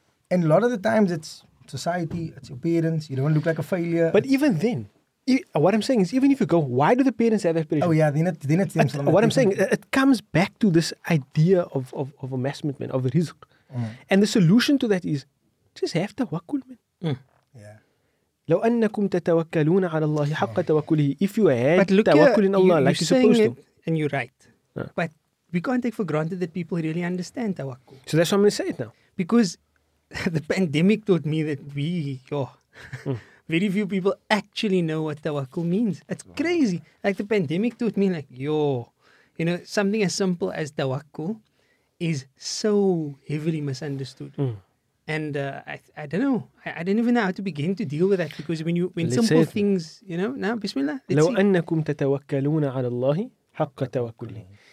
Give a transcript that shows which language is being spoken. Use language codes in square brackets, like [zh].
[en] And a lot of the times it's society, it's your parents, you don't want to look like a failure. But even then, what I'm saying is, even if you go, why do the parents have that pressure? Oh yeah, then it's what I'm saying, it comes back to this idea of amassment, man, of rizq. And the solution to that is just have tawakkul, man. [ar] لو أنكم تتوكلون على الله حق توكله. [en] If you had tawakkul in Allah, like you're supposed to. And you're right. But we can't take for granted that people really understand tawakkul. So that's why I'm going to say it now. Because the pandemic taught me that we, very few people actually know what tawakkul means. It's crazy. Like the pandemic taught me like, you know, something as simple as tawakkul is so heavily misunderstood. And I don't know. I don't even know how to begin to deal with that because when you when let's simple things, you know, now bismillah. [ar] لو أنكم تتوكلون على الله حق توكله.